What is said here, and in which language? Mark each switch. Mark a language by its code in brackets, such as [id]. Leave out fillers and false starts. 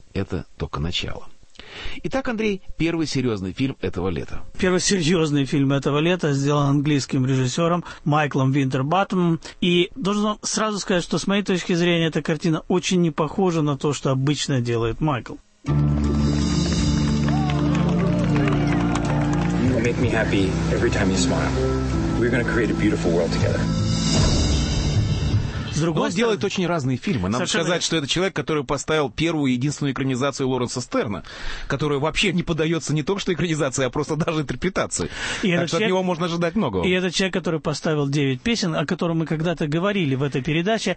[ru] Это только начало. Итак, Андрей, первый серьезный фильм этого лета. Первый серьезный фильм этого лета сделан английским режиссером Майклом Уинтербаттомом. И должен вам сразу сказать, что с моей точки зрения эта картина очень не похожа на то, что обычно делает Майкл. [en] You make me happy every time you smile. We're going to create a beautiful world together. [ru] Он делает очень разные фильмы. Надо сказать, что это человек, который поставил первую и единственную экранизацию Лоренса Стерна, которая вообще не подается не только что экранизации, а просто даже интерпретации. И так что человек, от него можно ожидать многого. И это человек, который поставил 9 песен, о котором мы когда-то говорили в этой передаче.